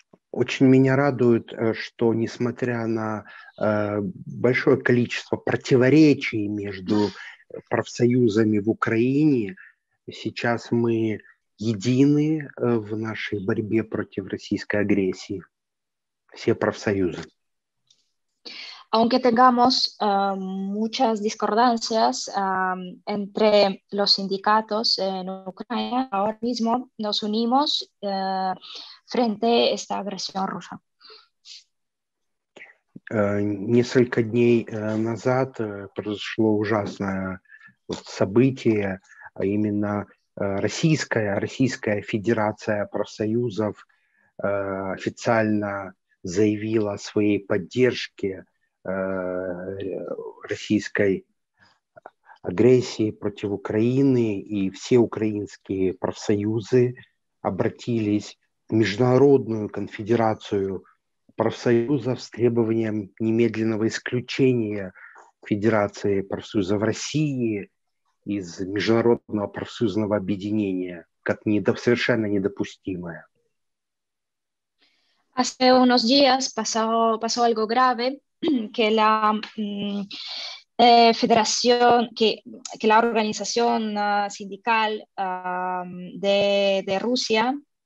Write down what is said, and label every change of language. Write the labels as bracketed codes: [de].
[ru] Очень меня радует, что несмотря на большое количество противоречий между профсоюзами в Украине, сейчас мы едины в нашей борьбе против российской агрессии. Все профсоюзы. [es] Aunque tengamos muchas discordancias entre los sindicatos en Ucrania, ahora mismo nos unimos frente a esta agresión rusa. [ru] Несколько дней назад произошло ужасное событие, а именно Российская Федерация профсоюзов официально заявила о своей поддержке российской агрессии против Украины, и все украинские профсоюзы обратились в Международную конфедерацию профсоюзов с требованием немедленного исключения Федерации профсоюзов России из международного профсоюзного объединения как совершенно недопустимое. [es] Hace unos días pasó algo grave, que la federación, que la organización sindical de Rusia